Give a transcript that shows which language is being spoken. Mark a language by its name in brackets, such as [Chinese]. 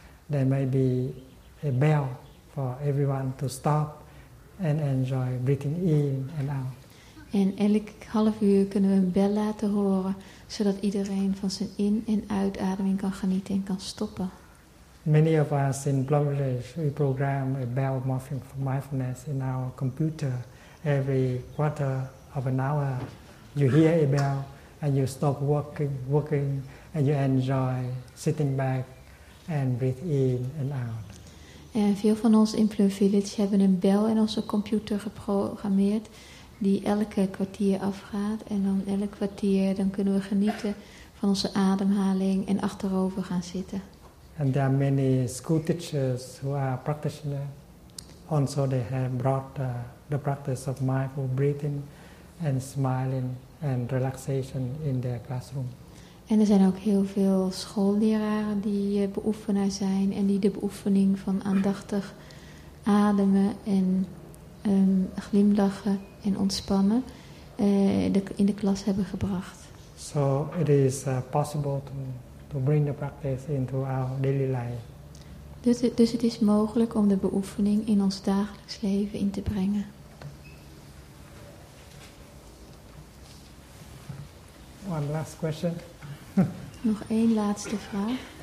[English] there may be a bell for everyone to stop and enjoy breathing in and out. [Dutch] En elk half uur kunnen we een bel laten horen, zodat iedereen van zijn in- en uitademing kan genieten en kan stoppen. [English] Many of us in Bloomfield, we program a bell mindfulness in our computer every quarter of an hour. You hear a bell and you stop working and you enjoy sitting back and breathe in and out. [Dutch] En veel van ons in Plum Village hebben een bel in onze computer geprogrammeerd die elke kwartier afgaat. En dan elk kwartier dan kunnen we genieten van onze ademhaling en achterover gaan zitten. [English] And there are many school teachers who are practitioners. Also they have brought the practice of mindful breathing and smiling and relaxation in their classroom. [Dutch] En er zijn ook heel veel schoolleraren die beoefenaar zijn en die de beoefening van aandachtig ademen en glimlachen en ontspannen in de klas hebben gebracht. [English] So it is possible to bring the practice into our daily life. [Dutch] Dus het is mogelijk om de beoefening in ons dagelijks leven in te brengen. [English] One last question. [Dutch] Nog één laatste vraag.